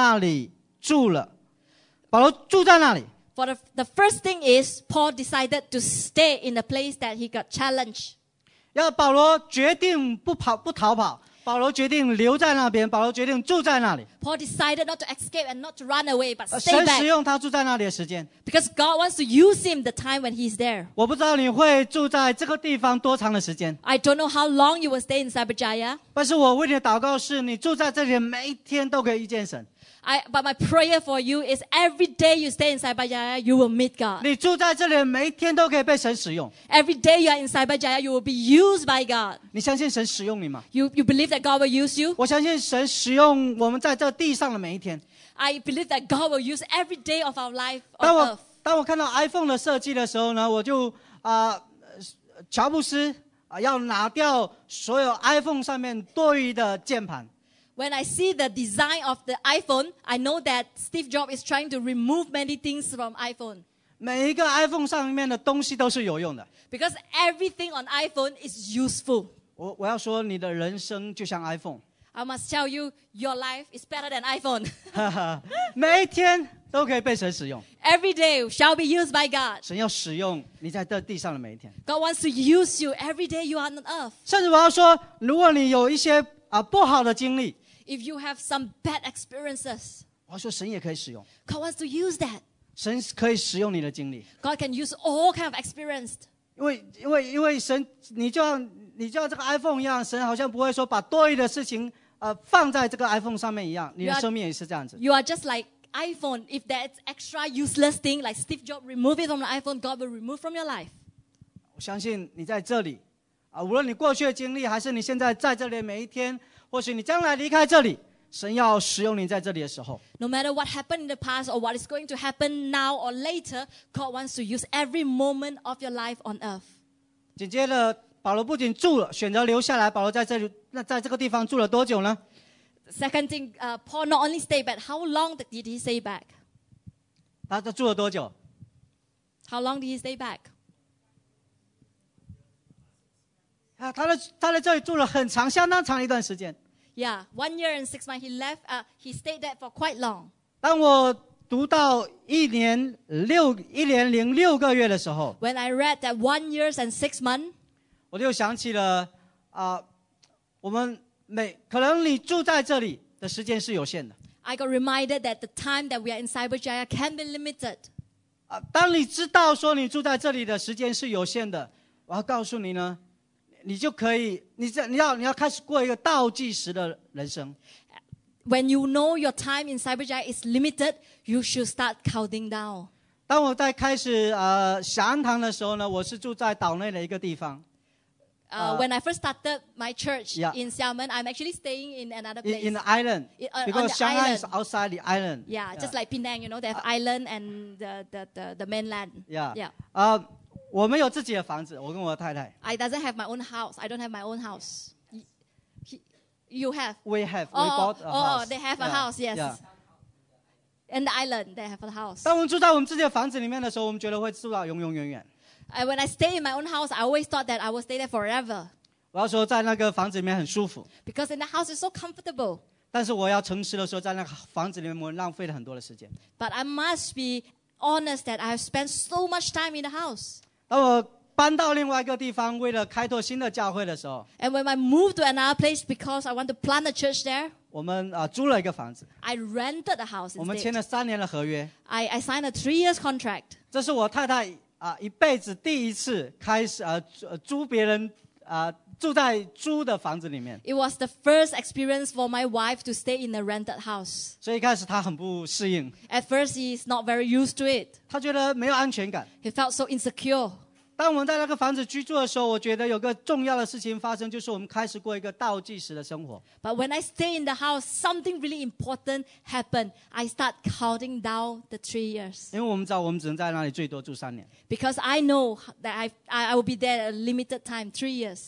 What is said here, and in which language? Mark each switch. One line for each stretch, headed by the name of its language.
Chinese: 他首先做的第一个事情，保罗在那里住了。保罗住在那里。
English: For the first thing is, Paul decided to stay in the place that he got challenged.
Chinese: 要保罗决定不跑不逃跑，保罗决定留在那边，保罗决定住在那里。
English: Paul decided not to escape and not to run away, but stay back.
Chinese: 神使用他住在那里的时间。
English: Because God wants to use him the time when he's there.
Chinese: 我不知道你会住在这个地方多长的时间。
English: I don't know how long you will stay in Cyberjaya.
Chinese: 但是我为你的祷告是，你住在这里每一天都可以遇见神。
English: But my prayer for you is every day you stay in Cyberjaya, you will meet God.
Chinese: 你住在这里每一天都可以被神使用。
English: Every day you are in Cyberjaya, you will be used by God.
Chinese: 你相信神使用你吗?
English: You believe that God will use you?
Chinese: 我相信神使用我们在这地上的每一天。
English: I believe that God will use every day of our life on
Chinese: 当我,
English: earth.
Chinese: 当我看到iPhone的设计的时候呢, 我就, 乔布斯, 要拿掉所有iPhone上面多余的键盘。
English: When I see the design of the iPhone, I know that Steve Jobs is trying to remove many things from iPhone.
Chinese: 每一个iPhone上面的东西都是有用的。
English: Because everything on iPhone is useful.
Chinese: 我要说你的人生就像iPhone。
English: I must tell you, your life is better than iPhone.
Chinese: 每天都可以被神使用。
English: Every day shall be used by God.
Chinese: 神要使用你在这地上的每一天。
English: God wants to use you every day you are on earth.
Chinese: 甚至我要说，如果你有一些不好的经历
English: ，If you have some bad experiences，
Chinese: 我要说神也可以使用。
English: God wants to use that.
Chinese: 神可以使用你的经历。
English: God can use all kind of experience.
Chinese: 因为神，你就像这个 iPhone 一样，神好像不会说把多余的事情放在这个 iPhone 上面一样，你的生命也是这样子。
English: You are just like. iPhone, if that's extra useless thing, like Steve Jobs, remove it from the iPhone, God will remove from your life.
Chinese: 我相信你在这里，无论你过去的经历，还是你现在在这里的每一天，或许你将来离开这里，神要使用你在这里的时候。
English: No matter what happened in the past or what is going to happen now or later, God wants to use every moment of your life on earth.
Chinese: 紧接着，保罗不仅住了，选择留下来，保罗在这里，那在这个地方住了多久呢？
English: Second thing, Paul not only stayed back, how long did he stay back?
Chinese: 他住了多久?
English: How long did he stay back?
Chinese: 他在这里住了很长，相当长一段时间。
English: Yeah, 1 year and 6 months, he stayed there for quite long.
Chinese: 当我读到一年零六个月的时候
English: When I read that 1 year and 6 months,
Chinese: 我就想起了我们可能你住在这里的时间是有限的。
English: I got reminded that the time that we are in Cyberjaya can be limited.
Chinese: 当你知道说你住在这里的时间是有限的，我要告诉你呢，你就可以，你要开始过一个倒计时的人生。
English: When you know your time in Cyberjaya is limited, you should start counting down.
Chinese: 当我在开始霞安堂的时候呢，我是住在岛内的一个地方。
English: When I first started my church in Xiamen, I'm actually staying in another place. In the island. Because Xiamen is outside the island. Yeah, just like Penang, you know, they have island and the mainland. I don't have my own house. I don't have my own house. You have? We have. We bought a house. Oh, they have a house, yes. Yeah. And the island, they have a house.
Chinese: 当我们住在我们自己的房子里面的时候，我们觉得会住到永永远远。
English: When I stay in my own house, I always thought that I will stay there forever.
Chinese: 我要说在那个房子里面很舒服。
English: Because in the house is so comfortable.
Chinese: 但是我要诚实的说，在那个房子里面我浪费了很多的时间。
English: But I must be honest that I have spent so much time in the house.
Chinese: 当我搬到另外一个地方，为了开拓新的教会的时候。
English: And when I moved to another place because I want to plant a church there.
Chinese: 我们租了一个房子。
English: I rented a house instead.
Chinese: 我们签了三年的合约。
English: I signed a 3-year contract.
Chinese: 这是我太太。一辈子第一次开始租别人住在租的房子里面。
English: It was the first experience for my wife to stay in a rented house.
Chinese: 所以一开始她很不适应。
English: At first, he's not very used to it.
Chinese: 她觉得没有安全感。
English: He felt so insecure.
Chinese: 当我们在那个房子居住的时候，我觉得有个重要的事情发生，就是我们开始过一个倒计时的生活。
English: But when I stay in the house, something really important happened. I start counting down the 3 years.
Chinese: 因为我们知道我们只能在那里最多住三年。
English: Because I know that I will be there a limited time, 3 years.